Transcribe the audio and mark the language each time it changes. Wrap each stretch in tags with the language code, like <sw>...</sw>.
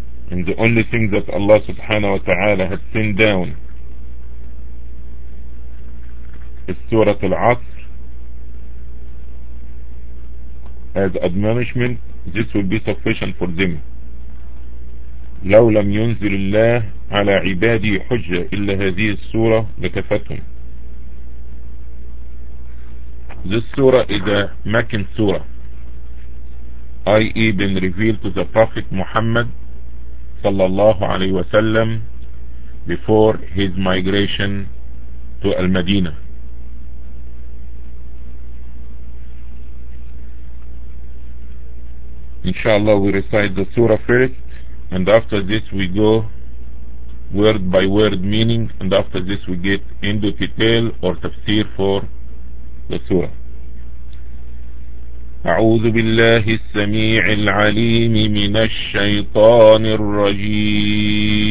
<en>and the only thing that Allah subhanahu wa ta'ala has sent down is Surah Al-Asr as admonishment, this will be sufficient for them.</en> <ar>لو لم ينزل الله على عبادي حجة إلا هذه السورة لكفتهم.</ar> <en>This surah is a Meccan surah, i.e. been revealed to the Prophet Muhammad</en> <ar>صلى الله عليه وسلم</ar> <en>before his migration to Al-Madinah. Inshallah, we recite the surah first, and after this we go word by word meaning, and after this we get into detail or tafsir for the surah.</en> <ar>أعوذ بالله السميع العليم من الشيطان الرجيم.</ar>